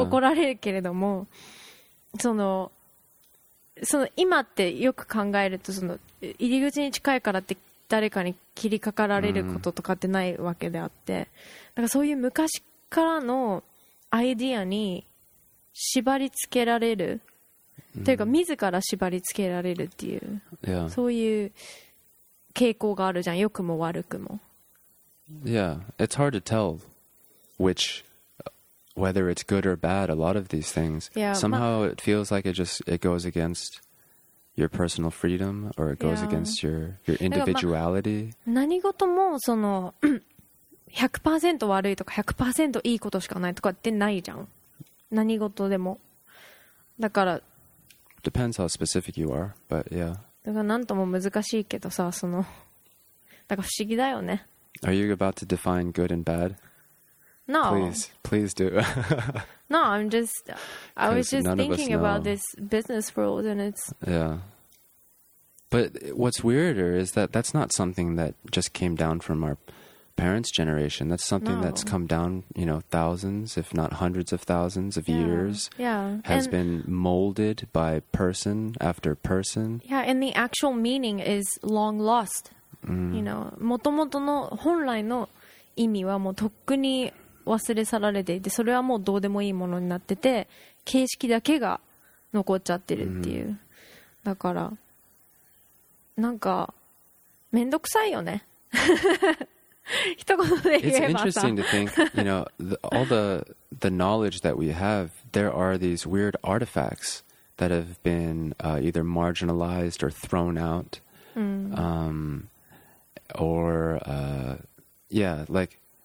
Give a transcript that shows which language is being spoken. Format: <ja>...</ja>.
<ja>怒られるけれども、その今ってよく考えるとその入り口に近いからって誰かに切りかかられることとかってないわけであって、だからそういう昔からのアイディアに縛り付けられる、mm. というか自ら縛り付けられるっていう、</ja> <en>yeah.</en> <ja>そういう傾向があるじゃん、良くも悪くも。</ja> <en>Yeah, it's hard to tell which, whether it's good or bad, a lot of these things. Yeah, somehow it feels like it goes against your personal freedom or it goes、yeah. against your individuality.</en> <ja>何事もその 100% 悪いとか 100% いいことしかないとかってないじゃん。何事でも。だから。</ja> <en>Depends how specific you are, but yeah.</en> <ja>だから何とも難しいけどさ、その。だから不思議だよね。</ja> <en>Are you about to define good and bad? No. Please, please do. No, I'm just, I was just thinking about this business world and it's... Yeah. But what's weirder is that that's not something that just came down from our parents' generation. That's something no. that's come down, you know, thousands, if not hundreds of thousands of yeah. years. Yeah. Has been molded by person after person. Yeah, and the actual meaning is long lost. Mm. You know,</en> <ja>元々の本来の意味はもうとっくに忘れ去られていて、それはもうどうでもいいものになってて、形式だけが残っちゃってるっていう。だからなんかめんどくさいよね。一言で言えばさ。</ja> <en>It's interesting to think, you know, all the knowledge that we have, there are these weird artifacts that have been either marginalized or thrown out, or yeah, like.</en>